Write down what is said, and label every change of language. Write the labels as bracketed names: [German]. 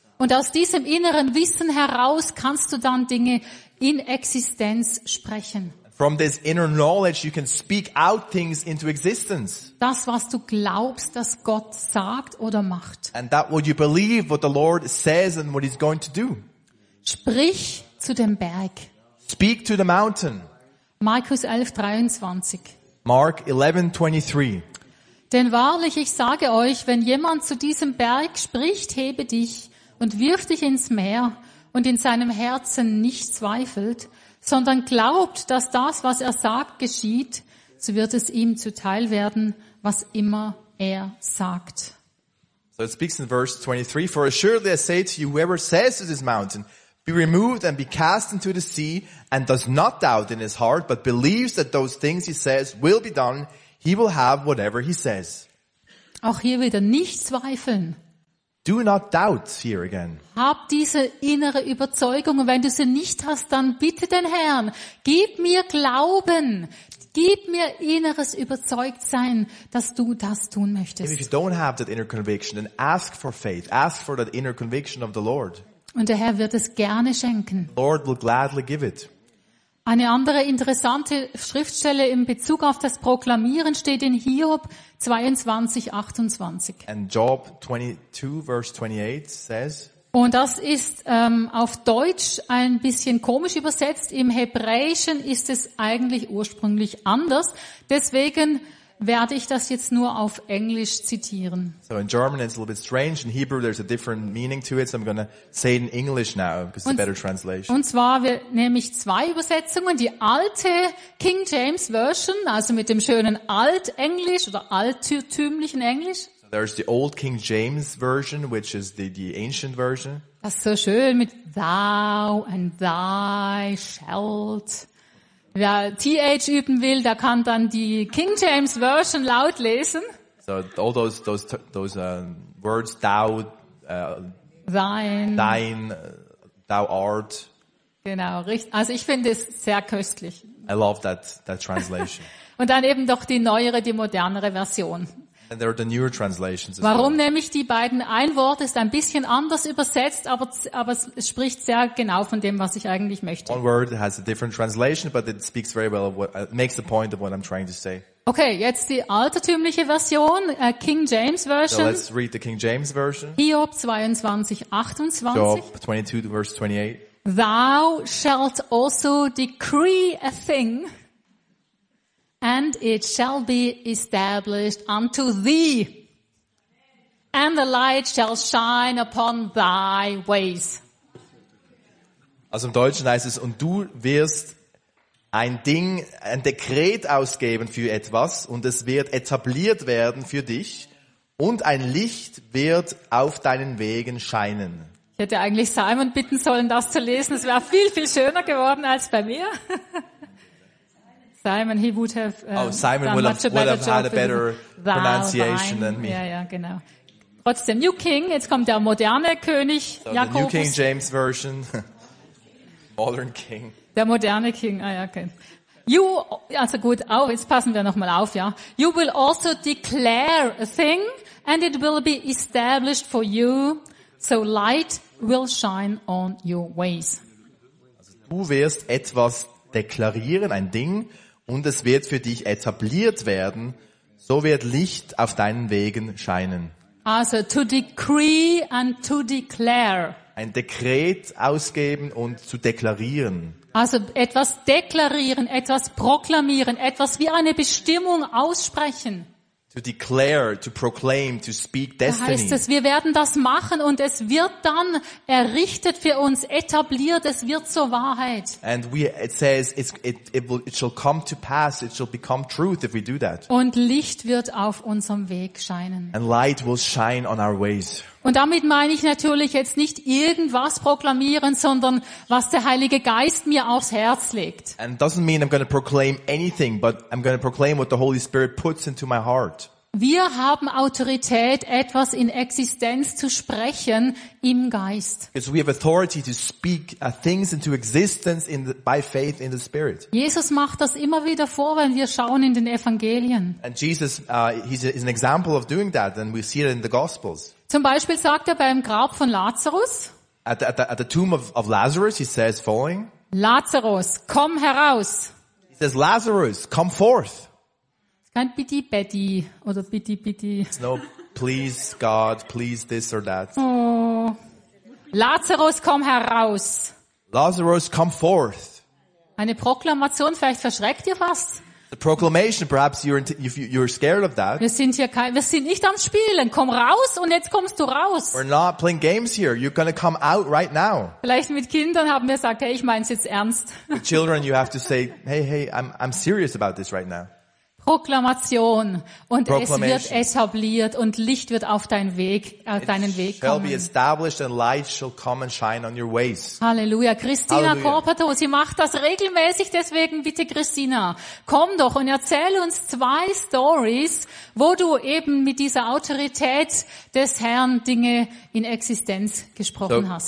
[German] Und aus diesem inneren Wissen heraus kannst du dann Dinge in Existenz sprechen. [English] From this inner knowledge you can speak out things into existence. [German] Das was du glaubst, dass Gott sagt oder macht. [English] And that what you believe what the Lord says and what he's going to do. [German] Sprich zu dem Berg. [English] Speak to the mountain. [German] Markus 11, 23. [English] Mark 11, 23. [German] Denn wahrlich, ich sage euch, wenn jemand zu diesem Berg spricht, hebe dich und wirf dich ins Meer und in seinem Herzen nicht zweifelt, sondern glaubt, dass das, was er sagt, geschieht, so wird es ihm zuteil werden, was immer er sagt. [English] So it speaks in verse 23, for assuredly I say to you, whoever says to this mountain, be removed and be cast into the sea and does not doubt in his heart but believes that those things he says will be done, he will have whatever he says. [German] Auch hier wieder nicht zweifeln. [English] Do not doubt here again. [German] Hab diese innere Überzeugung und wenn du sie nicht hast, dann bitte den Herrn, gib mir Glauben, gib mir inneres Überzeugtsein, dass du das tun möchtest. [English] If you don't have that inner conviction, then ask for faith, ask for that inner conviction of the Lord. [German] Und der Herr wird es gerne schenken. [English] Lord will gladly give it. [German] Eine andere interessante Schriftstelle in Bezug auf das Proklamieren steht in Hiob 22, 28. [English] And Job 22, verse 28 says, [German] und das ist auf Deutsch ein bisschen komisch übersetzt. Im Hebräischen ist es eigentlich ursprünglich anders. Deswegen werde ich das jetzt nur auf Englisch zitieren. [English] So in German it's a little bit strange. In Hebrew there's a different meaning to it. So I'm going to say it in English now, because it's a better translation. [German] Und zwar nehme ich zwei Übersetzungen. Die alte King James Version, also mit dem schönen Altenglisch oder altertümlichen Englisch. [English] So there's the old King James Version, which is the ancient version. [German] Das ist so schön mit [English] thou and thy shalt. [German] wer TH üben will, der kann dann die King James Version laut lesen. [English] So all those words thou [German] sein, dein, [English] thou art. [German] Genau, richtig. Also ich finde es sehr köstlich. [English] I love that translation. [German] Und dann eben doch die neuere, die modernere Version. [English] And there are the newer translations as [German] Warum [English] well. [German] Nämlich die beiden? Ein Wort ist ein bisschen anders übersetzt, aber es spricht sehr genau von dem, was ich eigentlich möchte. [English] One word has a different translation, but it speaks very well of what makes the point of what I'm trying to say. [German] Okay, jetzt die altertümliche Version, King James Version. [English] So let's read the King James Version. [German] Hiob 22, 28. [English] Job 22, verse 28. Thou shalt also decree a thing, and it shall be established unto thee, and the light shall shine upon thy ways. [German] Also im Deutschen heißt es, und du wirst ein Ding, ein Dekret ausgeben für etwas, und es wird etabliert werden für dich, und ein Licht wird auf deinen Wegen scheinen. Ich hätte eigentlich Simon bitten sollen, das zu lesen, es wäre viel, viel schöner geworden als bei mir. [English] Simon, he would have, oh, Simon would have, had a better pronunciation than me. [German] Ja, ja, genau. Trotzdem, [English] New King, [German] jetzt kommt der moderne König, so Jakobus. [English] The New King James Version. Modern King. [German] Der moderne King, ah ja, okay. [English] You, [German] also gut, auch, jetzt passen wir nochmal auf, ja. [English] You will also declare a thing, and it will be established for you, so light will shine on your ways. [German] Du wirst etwas deklarieren, ein Ding, und es wird für dich etabliert werden, so wird Licht auf deinen Wegen scheinen. [English] Also, to decree and to declare. [German] Ein Dekret ausgeben und zu deklarieren. Also, etwas deklarieren, etwas proklamieren, etwas wie eine Bestimmung aussprechen. [English] To declare, to proclaim, to speak destiny. [German] Da heißt es, wir werden das machen und es wird dann errichtet für uns, etabliert, es wird zur Wahrheit. [English] And it shall come to pass, it shall become truth if we do that. [German] Und Licht wird auf unserem Weg scheinen. [English] And light will shine on our ways. [German] Und damit meine ich natürlich jetzt nicht irgendwas proklamieren, sondern was der Heilige Geist mir aufs Herz legt. [English] And it doesn't mean I'm going to proclaim anything, but I'm going to proclaim what the Holy Spirit puts into my heart. [German] Wir haben Autorität, etwas in Existenz zu sprechen im Geist. [English] Because we have authority to speak things into existence by faith in the Spirit. [German] Jesus macht das immer wieder vor, wenn wir schauen in den Evangelien. [English] And Jesus is an example of doing that, and we see it in the Gospels. [German] Zum Beispiel sagt er beim Grab von Lazarus. [English] At the tomb of Lazarus, he says following. [German] Lazarus, komm heraus. [English] He says, Lazarus, come forth. [German] Kein bitty betty oder bitty bitty. [English] It's no, please God, please this or that. [German] Oh. Lazarus, komm heraus. [English] Lazarus, come forth. [German] Eine Proklamation, vielleicht verschreckt ihr was. [English] The proclamation, perhaps you're scared of that. [German] Wir sind nicht am Spielen. Komm raus und jetzt kommst du raus. [English] We're not playing games here. You're gonna come out right now. [German] Vielleicht mit Kindern haben wir gesagt, hey, ich mein's jetzt ernst. [English] With children, you have to say, hey, I'm serious about this right now. [German] Proklamation. Und es wird etabliert und Licht wird auf deinen Weg, auf deinen Weg kommen. [English] It shall be established and light shall come and shine on your ways. [German] Halleluja. Christina Corpato, sie macht das regelmäßig, deswegen bitte Christina, komm doch und erzähl uns zwei Stories, wo du eben mit dieser Autorität des Herrn Dinge in Existenz gesprochen hast.